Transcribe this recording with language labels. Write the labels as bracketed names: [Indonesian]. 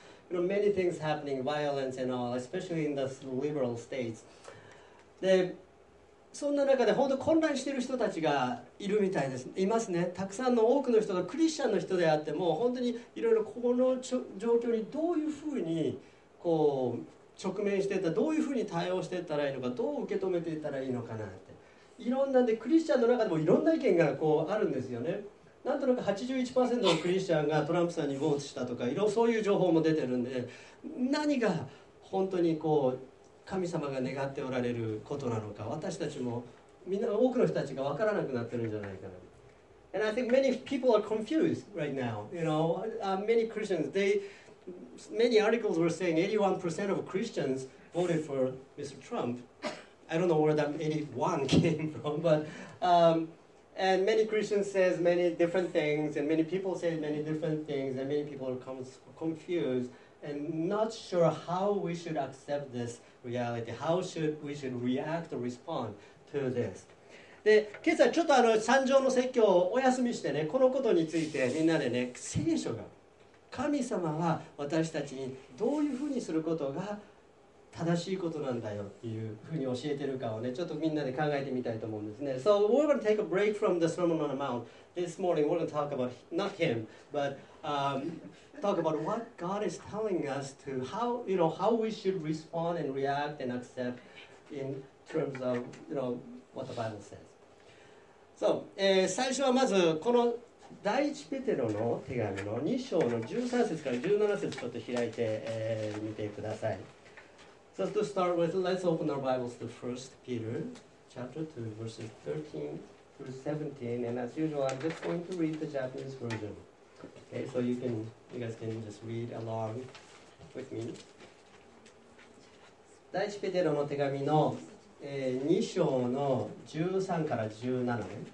[English] You know, many things happening, violence and all, especially in the liberal states. [Japanese] で、そんな中で本当に混乱している人たちがいるみたいです。いますね。たくさんの多くの人がクリスチャンの人であっても本当にいろいろこの状況にどういうふうにこう直面していったら、どういうふうに対応していったらいいのか、どう受け止めていったらいいのかなって、いろんなんでクリスチャンの中でもいろんな意見がこうあるんですよね。なんとなく 81% のクリスチャンがトランプさんにボーツしたとか、いろそういう情報も出てるんで、何が本当にこう神様が願っておられることなのか、私たちもみんな多くの人たちが分からなくなってるんじゃないかな。 [English] And I think many people are confused right now. You know, many Christians, many articles were saying 81% of Christians voted for Mr. Trump. I don't know where that 81 came from, but and many Christians says many different things, and many people say many different things, and many people are confused and not sure how we should accept this. Reality. How should we should react or respond to this? [Japanese] で、今朝ちょっと参上の説教をお休みしてね、このことについてみんなでね、聖書が神様は私たちにどういうふうにすることが正しいことなんだよっていうふうに教えてるかをね、ちょっとみんなで考えてみたいと思うんですね。 [English] So we're going to take a break from the Sermon on the Mount. This morning we're going to talk about not him, but talk about what God is telling us to how, you know, how we should respond and react and accept in terms of, you know, what the Bible says. [Japanese] So, 最初はまずこの第一ペテロの手紙の2章の13節から17節ちょっと開いて、見てください。 [English] So to start with, let's open our Bibles to 1 Peter chapter 2 verses 13 through 17, and as usual, I'm just going to read the Japanese version. Okay, so you guys can just read along with me. [Japanese] 第一ペテロの手紙の、2章の13から17ね。